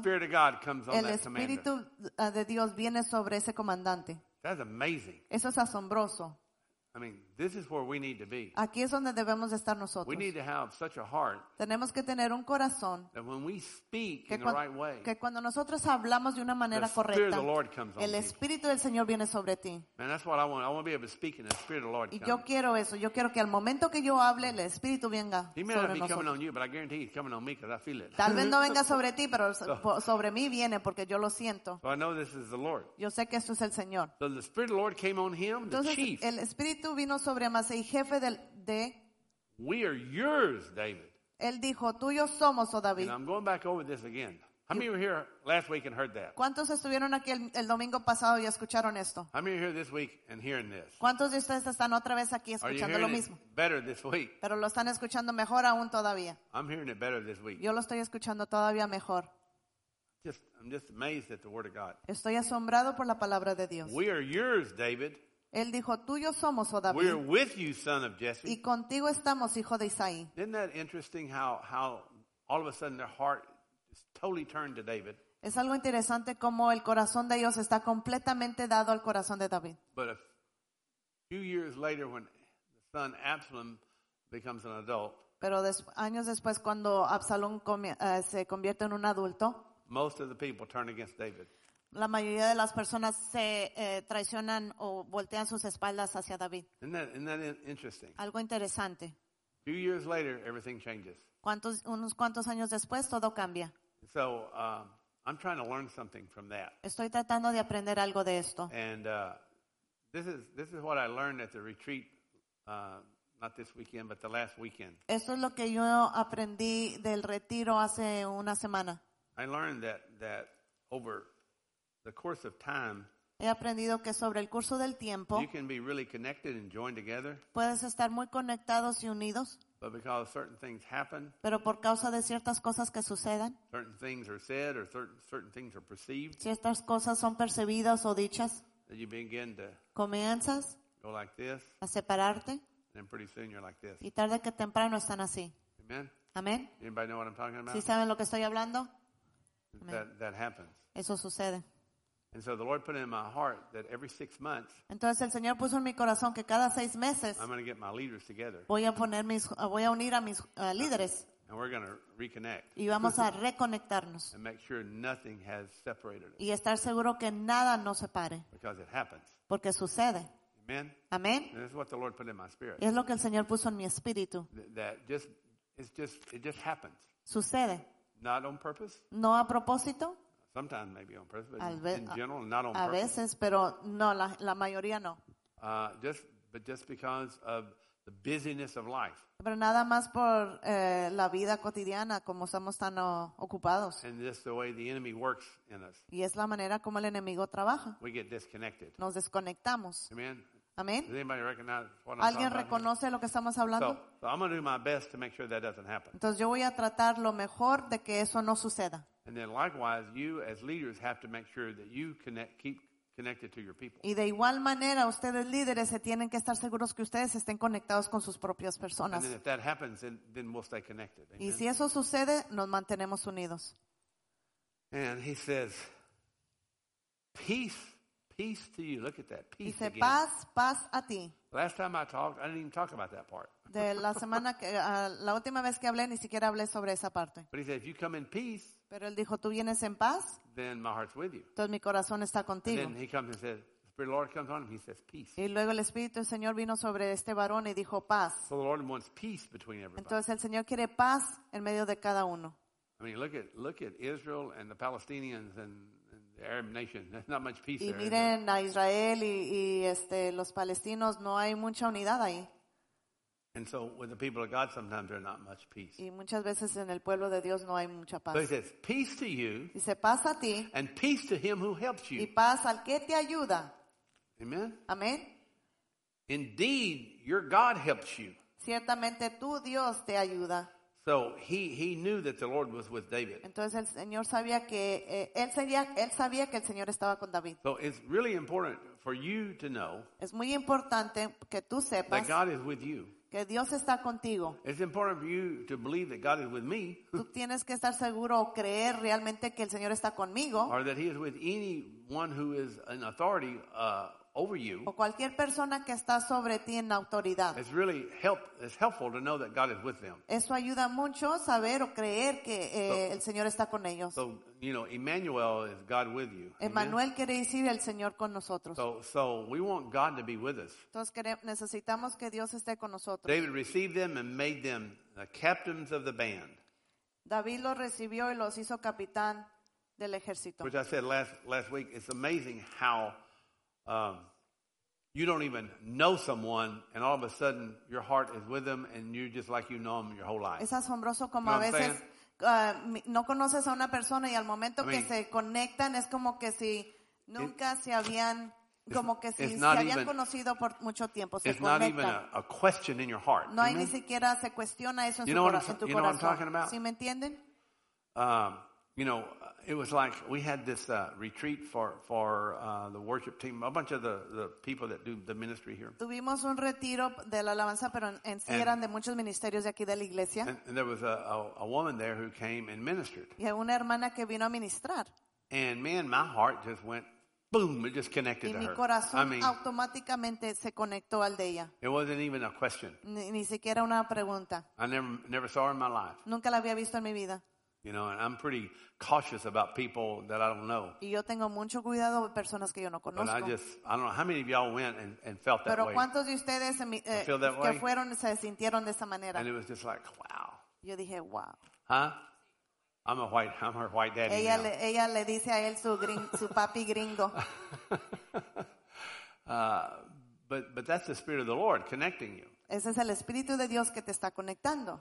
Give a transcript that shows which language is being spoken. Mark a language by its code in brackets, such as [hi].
[en] The Spirit of God comes on [es] el Espíritu [en] that commander. [es] De Dios viene sobre ese comandante. [en] That's amazing. [es] Eso es asombroso. [en] I mean, this is where we need to be. [es] Aquí es donde debemos de estar nosotros. [en] We need to have such a heart. [es] Tenemos que tener un corazón. [en] That when we speak in the right way. [es] Que cuando nosotros hablamos de una manera correcta. [en] The Spirit of the Lord comes on you. [es] El Espíritu del Señor viene sobre ti. [en] And that's what I want. I want to be able to speak and the Spirit of the Lord comes. [es] Y yo quiero eso. Yo quiero que al momento que yo hable, el Espíritu venga sobre nosotros. [en] He may not be coming on you, but I guarantee he's coming on me because I feel it. [es] Tal vez no venga sobre ti, pero sobre mí viene porque yo lo siento. [en] So I know this is the Lord. [es] Yo sé que esto es el Señor. [en] So the Spirit of the Lord came on him, the chief. [es] Entonces el Espíritu vino sobre Amasai, jefe de [en] we are yours, David. [es] Él dijo, tuyos somos, oh David. [en] And I'm going back over this again. How many were here last week and heard that? [es] ¿Cuántos estuvieron aquí el domingo pasado y escucharon esto? [en] How many are here this week and hearing this? [es] ¿Cuántos de ustedes están otra vez aquí escuchando lo mismo? [en] Better this week. [es] Pero lo están escuchando mejor aún todavía. [en] I'm hearing it better this week. [es] Yo lo estoy escuchando todavía mejor. [en] I'm just amazed at the word of God. [es] Estoy asombrado por la palabra de Dios. [en] We are yours, David. [es] Él dijo, tuyos somos, oh David. [en] We are with you, son of Jesse. [es] Y contigo estamos, hijo de Isaí. [en] Isn't that interesting how all of a sudden their heart is totally turned to David? [es] Es algo interesante como el corazón de ellos está completamente dado al corazón de David. [en] But a few years later when the son Absalom becomes an adult. [es] Pero años después cuando Absalón se convierte en un adulto. [en] Most of the people turn against David. [es] La mayoría de las personas se traicionan o voltean sus espaldas hacia David. [en] Isn't that interesting? [es] Algo interesante. [en] A few years later, everything changes. [es] Unos cuantos años después, todo cambia. [en] So, I'm trying to learn something from that. [es] Estoy tratando de aprender algo de esto. [en] And this is what I learned at the retreat, not this weekend, but the last weekend. [es] Esto es lo que yo aprendí del retiro hace una semana. [en] I learned that over the course of time, [es] he aprendido que sobre el curso del tiempo, [en] you can be really connected and joined together. [es] Puedes estar muy conectados y unidos. [en] But because certain things happen, [es] pero por causa de ciertas cosas que sucedan, [en] certain things are said or certain things are perceived, [es] ciertas cosas son percibidas o dichas, [en] that you begin to [es] comienzas [en] go like this, [es] a separarte, [en] and then pretty soon you're like this. [es] Y tarde que temprano están así. [en] Amen. [es] Amen. [en] Anybody know what I'm talking about? [es] ¿Sí saben lo que estoy hablando? [en] That happens. [es] Eso sucede. [en] And so the Lord put it in my heart that every 6 months. [es] Entonces el Señor puso en mi corazón que cada 6 meses. [en] I'm going to get my leaders together. [es] Voy a unir a mis líderes. [en] And we're going to reconnect. [es] Y vamos a reconectarnos. [en] And make sure nothing has separated us. [es] Y estar seguro que nada nos separe. [en] Because it happens. [es] Porque sucede. [en] Amen. [es] Amen. [en] And that's what the Lord put in my spirit. [es] Y es lo que el Señor puso en mi espíritu. [en] It just happens. [es] Sucede. [en] Not on purpose. [es] No a propósito. [en] Sometimes maybe on purpose, but in general, not on purpose. [es] A veces, pero no, la mayoría no. [en] Just because of the busyness of life. [es] Pero nada más por la vida cotidiana, como estamos tan ocupados. [en] And just the way the enemy works in us. [es] Y es la manera como el enemigo trabaja. [en] We get disconnected. [es] Nos desconectamos. [en] Amen. [es] Amen. [en] Does anybody recognize what I'm talking about? [es] ¿Alguien reconoce lo que estamos hablando? [en] So I'm going to do my best to make sure that doesn't happen. [es] Entonces yo voy a tratar lo mejor de que eso no suceda. [en] And then likewise, you as leaders have to make sure that you keep connected to your people. [es] Y de igual manera, ustedes líderes se tienen que estar seguros que ustedes estén conectados con sus propias personas. [en] And then if that happens, then we'll stay connected. Amen? [es] Y si eso sucede, nos mantenemos unidos. [en] And he says, peace to you. Look at that, peace again. [es] Dice, paz a ti. [en] Last time I talked, I didn't even talk about that part. [es] De la semana que, la última vez que hablé, ni siquiera hablé sobre esa parte. [en] But he said, if you come in peace, [es] pero él dijo, tú vienes en paz. [en] Then my heart's with you. [es] Entonces mi corazón está contigo. [en] And then he comes and says, the Spirit of the Lord comes on him. He says, peace. [es] Y luego el Espíritu del Señor vino sobre este varón y dijo, paz. [en] So the Lord wants peace between everybody. [es] Entonces el Señor quiere paz en medio de cada uno. [en] I mean, look at Israel and the Palestinians and the Arab nation. There's not much peace [es] y [en] there. [es] Y miren a Israel y este los palestinos, no hay mucha unidad ahí. [en] And so with the people of God, sometimes there's not much peace. [es] Y muchas veces en el pueblo de Dios no hay mucha paz. [en] So he says, peace to you. [es] Dice paz a ti. [en] And peace to him who helps you. [es] Y paz al que te ayuda. [en] Amen. [es] Amen. [en] Indeed, your God helps you. [es] Ciertamente tu Dios te ayuda. [en] So he knew that the Lord was with David. [es] Entonces el Señor sabía que él sabía que el Señor estaba con David. [en] So it's really important for you to know. [es] Es muy importante que tú sepas. [en] That God is with you. [es] Que Dios está contigo. [en] It's important for you to believe that God is with me. [es] Tú tienes que estar seguro o creer realmente que el Señor está conmigo. [en] Or that he is with anyone who is an authority over you. [es] O cualquier persona que está sobre ti en autoridad. [en] It's really helpful to know that God is with them. [es] Eso ayuda mucho saber o creer que el Señor está con ellos. [en] So, you know, Emmanuel is God with you. [es] Emmanuel quiere decir el Señor con nosotros. [en] So we want God to be with us. [es] Entonces necesitamos que Dios esté con nosotros. [en] David received them and made them the captains of the band. [es] David los recibió y los hizo capitán del ejército. [en] Which I said last week, it's amazing how you don't even know someone, and all of a sudden your heart is with them, and you just like you know them your whole life. [es] Es asombroso como a veces no conoces a una persona y al momento que se conectan es como que si nunca se habían como que si se habían conocido por mucho tiempo. [en] It's not even a question in your heart. [es] No hay ni siquiera se cuestiona eso en tu corazón. [en] You know what I'm talking about? [es] ¿Sí me entienden? [en] You know, it was like we had this retreat for the worship team, a bunch of the people that do the ministry here. [es] Tuvimos un retiro de la alabanza, pero en sí eran de muchos ministerios de aquí de la iglesia. [en] And there was a woman there who came and ministered. [es] Y una hermana que vino a ministrar. [en] And man, my heart just went boom, it just connected to her. [es] Y mi corazón automáticamente se conectó al de ella. [en] It wasn't even a question. [es] Ni siquiera una pregunta. [en] I never saw her in my life. [es] Nunca la había visto en mi vida. [en] You know, and I'm pretty cautious about people that I don't know. [es] Y yo tengo mucho cuidado de personas que yo no conozco. [en] But I don't know how many of y'all went and felt that way. [es] Pero cuántos de ustedes que fueron se sintieron de esa manera. [en] And it was just like, wow. [es] Yo dije, wow. [en] Huh? I'm her white daddy. [es] Ella le dice a él su papi gringo. [en] But that's the Spirit of the Lord connecting you. [es] Ese es el Espíritu de Dios que te está conectando.